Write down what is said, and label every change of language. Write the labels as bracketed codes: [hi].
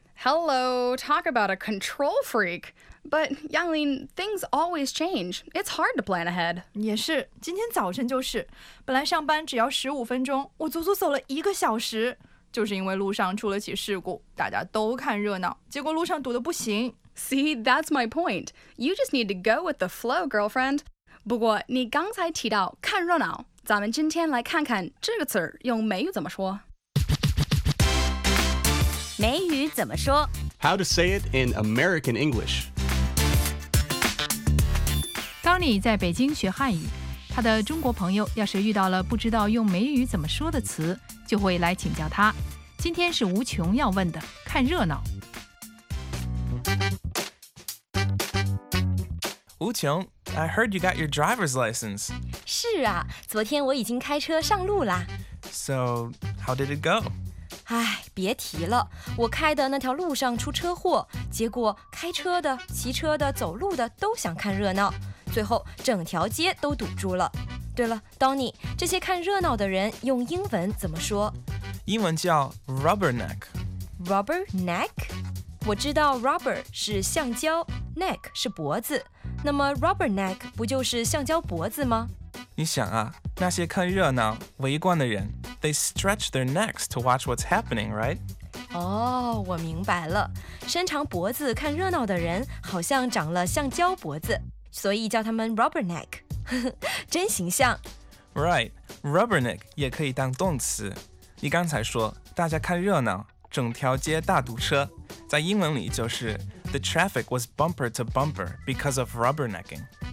[en] Hello, talk about a control freak. But, Yanglin, things always change. It's hard to plan ahead. [zh] 也是，今天早晨就是，本来上班只要15分钟，我足足走了一个小时，就是因为路上出了起事故，大家都看热闹，结果路上堵得不行。 [en] See, that's my point. You just need to go with the flow, girlfriend. [zh] 不过，你刚才提到看热闹，咱们今天来看看这个词用美语怎么说。美语怎么说？ [en] How to say it in American English. [zh] Tony 在北京学汉语，他的中国朋友要是遇到了不知道用美语怎么说的词，就会来请教他。今天是无穷要问的，看热闹。 [en] 无穷， I heard you got your driver's license. [zh] 是啊，昨天我已经开车上路了。 [en] So, how did it go? [zh] 哎，别提了，我开的那条路上出车祸，结果开车的、骑车的、走路的都想看热闹，最后整条街都堵住了。对了 ，Donny， 这些看热闹的人用英文怎么说？英文叫 rubberneck。 Rubberneck？ 我知道 rubber 是橡胶 ，neck 是脖子，那么 rubberneck 不就是橡胶脖子吗？你想啊，那些看热闹、围观的人。 [en] They stretch their necks to watch what's happening, right? [zh] Oh, 我明白了。伸长脖子看热闹的人好像长了橡胶脖子，所以叫他们 rubberneck. 真形象。 Right, rubberneck 也可以当动词。你刚才说，大家看热闹，整条街大堵车，在英文里就是 [en] The traffic was bumper to bumper because of rubbernecking.